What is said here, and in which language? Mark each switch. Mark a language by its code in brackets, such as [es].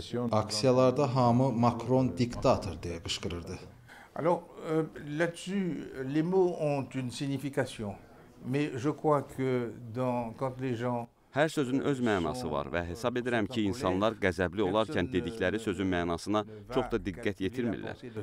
[az] Aksiyalarda hamı Macron diktator deyə qışqırırdı. [fr] Alors là-dessus les mots ont une signification, mais je crois que quand les gens [az] Hər sözün öz mənası var və hesab edirəm ki, insanlar qəzəbli olarkən dedikləri sözün mənasına çox da diqqət yetirmirlər.